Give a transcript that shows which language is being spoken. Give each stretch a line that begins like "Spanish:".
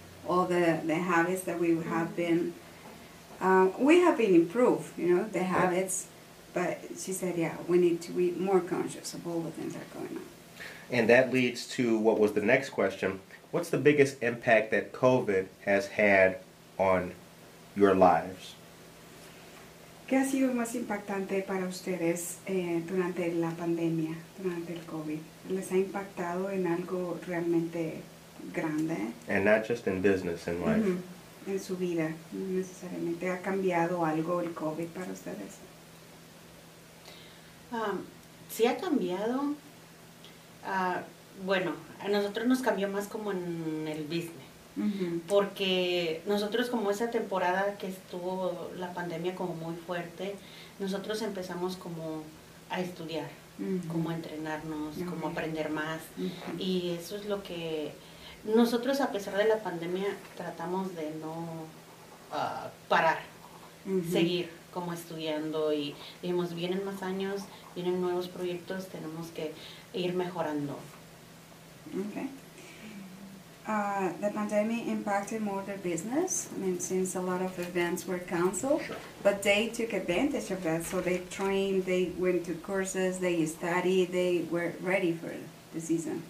English: All the habits that we have been, we have been improved, you know, the habits. But she said, we need to be more conscious of all the things that are going on. And that leads to what was the next question. What's the biggest impact that COVID has had on your lives?
Spanish: ¿Qué ha sido más impactante para ustedes durante la pandemia, durante el COVID? ¿Les ha impactado en algo realmente grande?
English: And not just in business, in life. Mm-hmm.
Spanish: En su vida, no necesariamente. ¿Ha cambiado algo el COVID para ustedes? Sí ha cambiado. A nosotros nos cambió más como en el business. Mm-hmm. Porque nosotros como esa temporada que estuvo la pandemia como muy fuerte, nosotros empezamos como a estudiar, como a entrenarnos, como a aprender más. Mm-hmm. Y eso es lo que... Nosotros, a pesar de la pandemia, tratamos de no parar, seguir como estudiando y dijimos, vienen más años, vienen nuevos proyectos, tenemos que ir mejorando.
English: Okay. The pandemic impacted more their business, I mean, since a lot of events were canceled, sure. But they took advantage of that. So they trained, they went to courses, they studied, they were ready for the season.